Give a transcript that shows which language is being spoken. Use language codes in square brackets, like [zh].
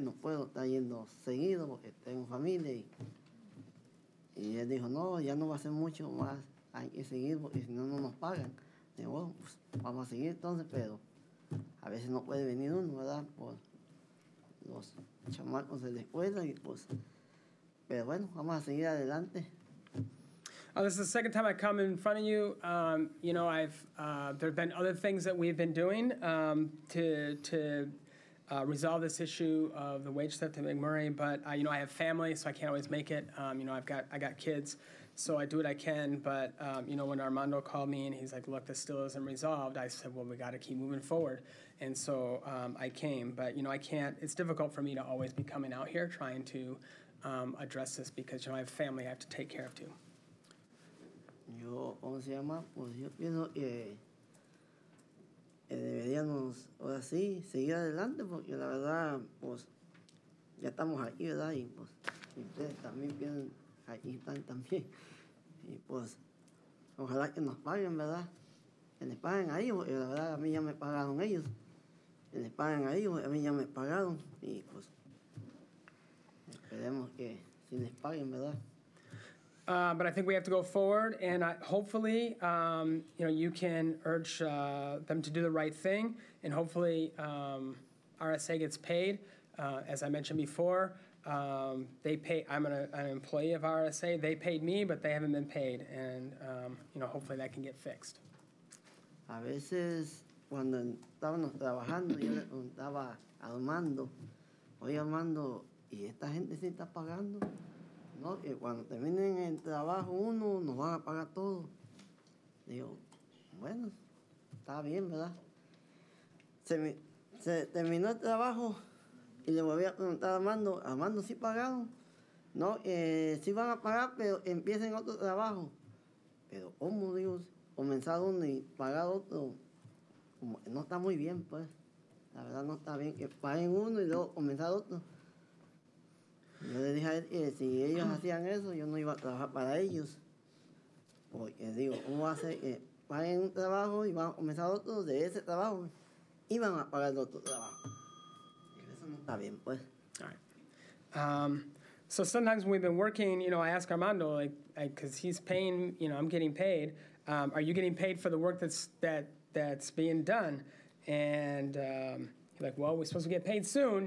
[es] No puedo estar yendo seguido porque tengo familia. Y él dijo, no, ya no va a ser mucho más. Hay que seguir porque si no, no nos pagan. Digo, bueno, pues vamos a seguir entonces, pero a veces no puede venir uno, ¿verdad? Por los chamacos de la escuela y pues, pero bueno, vamos a seguir adelante. [en] This is the second time I come in front of you. You know, there have been other things that we've been doing to resolve this issue of the wage theft at McMurray, but you know, I have family, so I can't always make it. You know, I got kids. So I do what I can, but you know, when Armando called me and he's like, look, this still isn't resolved, I said, well, we gotta keep moving forward. And so I came, but you know, I can't, it's difficult for me to always be coming out here trying to address this because you know, I have family I have to take care of too. [es] Yo, ¿cómo se llama? Pues yo pienso que deberíamos, ahora sí, seguir adelante porque la verdad, pues, ya estamos aquí, ¿verdad? Y pues, ustedes también piensan. Ahí están también. Y pues, ojalá que nos paguen, ¿verdad? Que les paguen a ellos, porque la verdad a mí ya me pagaron ellos. Que les paguen a ellos, a mí ya me pagaron. Y pues, esperemos que sí les paguen, ¿verdad? [en] But I think we have to go forward, and hopefully, you know, you can urge them to do the right thing, and hopefully RSA gets paid. As I mentioned before, they pay. I'm an employee of RSA. They paid me, but they haven't been paid, and you know, hopefully that can get fixed. [es] A veces cuando estábamos trabajando, yo le preguntaba a Armando, oye Armando, ¿y esta gente se está pagando? No, y cuando terminen el trabajo uno, nos van a pagar todo. Digo, bueno, está bien, ¿verdad? Se terminó el trabajo y le volví a preguntar a Armando, ¿Armando sí pagaron? No, sí van a pagar, pero empiecen otro trabajo. Pero, ¿cómo, Dios? Comenzar uno y pagar otro, como no está muy bien, pues. La verdad no está bien que paguen uno y luego comenzar otro. Yo le dije a él que si ellos hacían eso, yo no iba a trabajar para ellos. Porque digo, ¿cómo va a ser que paguen un trabajo y van a comenzar otro de ese trabajo? Y van a pagar otro trabajo. Eso no está bien, pues. [en] All right. So sometimes we've been working, you know, I ask Armando, because he's paying, you know, I'm getting paid. Are you getting paid for the work that's being done? And he's like, well, we're supposed to get paid soon.